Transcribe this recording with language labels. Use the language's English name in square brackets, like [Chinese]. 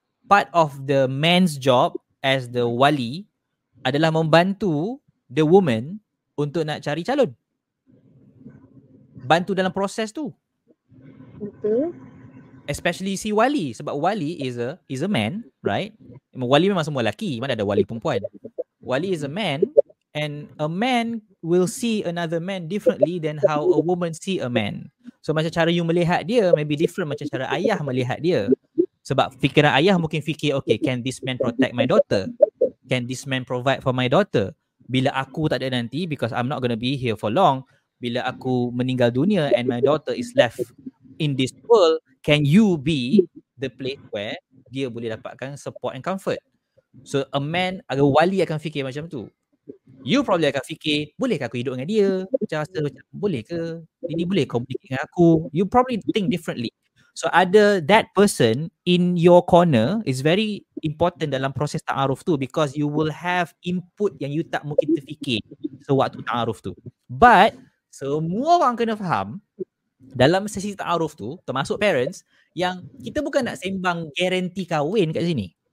[English] part of the man's job as the wali [Malay] adalah membantu [English] the woman [Malay] untuk nak cari calon. Bantu dalam proses tu. Betul. [English] Especially si wali, sebab wali is a man, right? [Malay] Wali memang semua lelaki, mana ada wali perempuan. [English] Wali is a man, and a man will see another man differently than how a woman see a man. [Malay] So macam cara you melihat dia maybe different macam cara ayah melihat dia. Sebab fikiran ayah mungkin fikir, [English] okay, can this man protect my daughter? Can this man provide for my daughter? [Malay] Bila aku tak ada nanti, [English] because I'm not going to be here for long, [Malay] bila aku meninggal dunia [English] and my daughter is left in this world, can you be the place where [Malay] dia boleh dapatkan [English] support and comfort? [Malay] So a man, a wali akan fikir macam tu. You probably akan fikir, bolehkah aku hidup dengan dia? Macam rasa macam, boleh ke? Ini boleh komplikasi dengan aku? [English] You probably think differently. So ada that person in your corner is very important [Malay] dalam proses ta'aruf tu, [English] because you will have input [Malay] yang you tak mungkin terfikir sewaktu ta'aruf tu. But semua orang kena faham dalam sesi ta'aruf tu, termasuk parents, yang kita bukan nak sembang garanti kahwin kat sini.